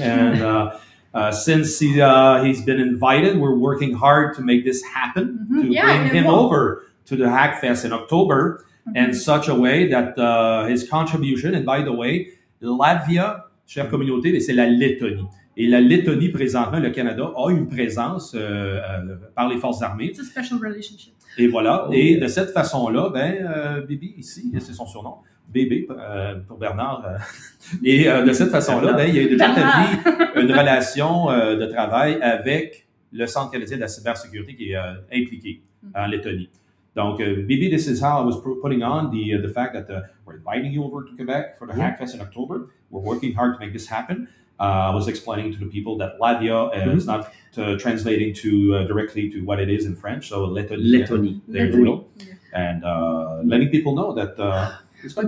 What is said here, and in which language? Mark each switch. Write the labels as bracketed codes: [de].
[en] And since he's been invited, we're working hard to make this happen, to bring him over to the Hackfest in October, mm-hmm, in such a way that his contribution, and by the way, Latvia, [fr] chère communauté, mais c'est la Lettonie. Et la Lettonie, présentement, le Canada, a une présence par les forces armées. [en] It's a special relationship. [fr] Et voilà. Oh, et yeah, de cette façon-là, Bibi, ici, c'est son surnom, Bébé, pour Bernard. Et de cette façon-là, il y a déjà établi une relation de travail avec le Centre canadien de la cybersécurité qui est impliqué, mm-hmm, en Lettonie. Donc, Bibi, [en] this is how I was putting on the fact that we're inviting you over to Quebec for the, yeah, Hackfest in October. We're working hard to make this happen. I was explaining to the people that Latvia is not translating to directly to what it is in French. So [fr] Lettonie. [en] There you go. And letting people know that it's going